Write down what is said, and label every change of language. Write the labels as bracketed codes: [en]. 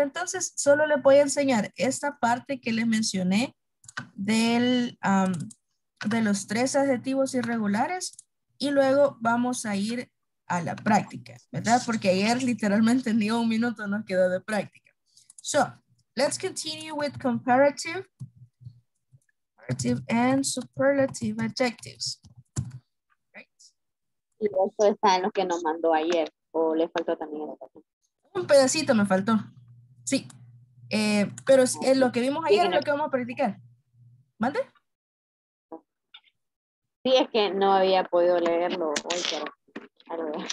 [es] Entonces, solo les voy a enseñar esta parte que les mencioné del, de los tres adjetivos irregulares. Y luego vamos a ir a la práctica, ¿verdad? Porque ayer literalmente ni un minuto nos quedó de práctica. [en] So, let's continue with comparative and superlative adjectives. Right? [es] Y eso está en lo que nos mandó ayer, o le faltó también. Un pedacito me faltó. Sí, pero es lo que vimos ayer es lo que vamos a practicar. ¿Mande? Sí, es que no había podido leerlo hoy, pero...